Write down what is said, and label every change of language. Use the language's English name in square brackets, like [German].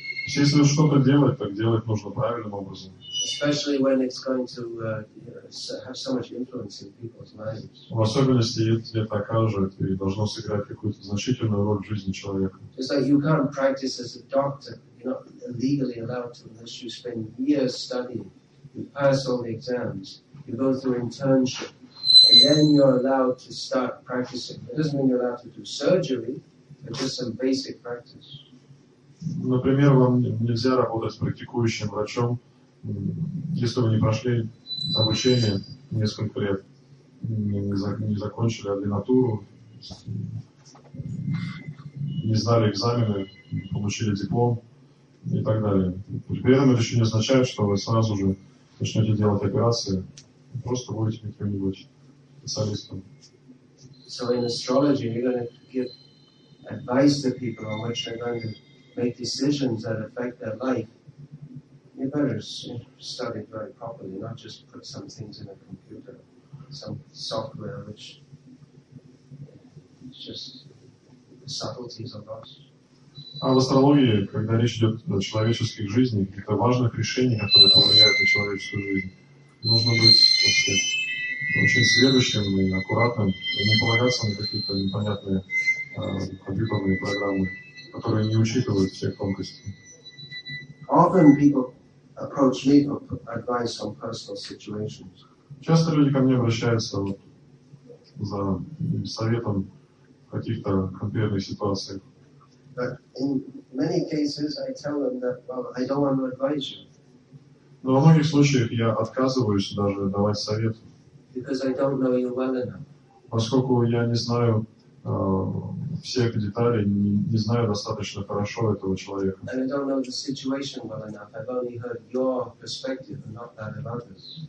[Russian] Если что-то делать, так делать нужно правильным образом. [English] Especially when it's going to have so much influence in people's lives. [Russian] В особенности, если это окажет и должно сыграть какую-то значительную роль в жизни человека. [English] It's like you can't practice as a doctor. You're not legally allowed to unless you spend years studying. You pass all the exams. You go through internships. And then you're allowed to start practicing. It doesn't mean you're allowed to do surgery, but just some basic practice. [Russian] Например, вам нельзя работать с практикующим врачом, если вы не прошли обучение несколько лет, не закончили ординатуру, не сдали экзамены, получили диплом и так далее. При этом это еще не означает, что вы сразу же начнете делать операции, просто будете каким-нибудь. [English] So in astrology, you're going to give advice to people on which they're going to make decisions that affect their life. You better study very properly, not just put some things in a computer, some software which is just subtleties of us. [Russian] А в астрологии, когда речь идет о человеческих жизнях, каких-то важных решениях, которые повлияют на человеческую жизнь, нужно быть очень следующим и аккуратным, и не полагаться на какие-то непонятные компьютерные программы, которые не учитывают всех тонкостей. [English] Often people approach me for advice on personal situations. [Russian] Часто люди ко мне обращаются вот за советом в каких-то конкретных ситуациях. [English] But in many cases I tell them that, well, I don't want to advise you. [Russian] Но во многих случаях я отказываюсь даже давать совет. [English] Because I don't know you well enough. [Russian] Поскольку я не знаю всех деталей, не знаю достаточно хорошо этого человека. [English] And I don't know the situation well enough. I've only heard your perspective and not that of others.